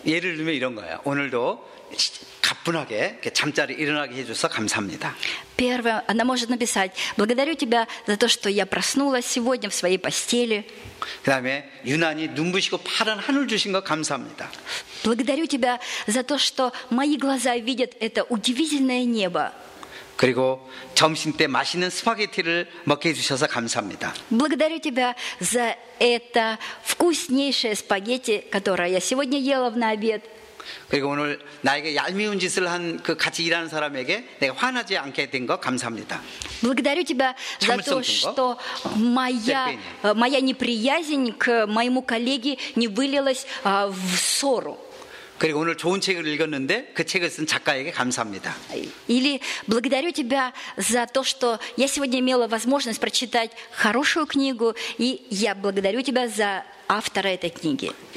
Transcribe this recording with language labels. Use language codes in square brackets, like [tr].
[ko] 예를 들면 이런 거예요. 오늘도 가뿐하게 잠자리 일어나게 해줘서 감사합니다. [ru] Первое, она может написать: благодарю тебя за то, что я проснулась сегодня в своей постели. [ko] 그다음에 유난히 눈부시고 파란 하늘 주신 거 감사합니다. [ru] Благодарю тебя за то, что мои глаза видят это удивительное небо. [ko] 그리고 점심 때 맛있는 스파게티를 먹게 해주셔서 감사합니다. [ru] Благодарю тебя за это вкуснейшее спагетти, которое я сегодня ела на обед. [ko] 그리고 오늘 나에게 얄미운 짓을 한 그 같이 일하는 사람에게 내가 화나지 않게 된 거 감사합니다. [ru] Благодарю тебя за то, что моя неприязнь к моему коллеге не вылилась в ссору. [ko] 그리고 오늘 좋은 책을 읽었는데 그 책을 쓴 작가에게 감사합니다. [ru] Или благодарю тебя за то, что я сегодня имела возможность прочитать хорошую книгу, и я благодарю тебя за автора этой книги.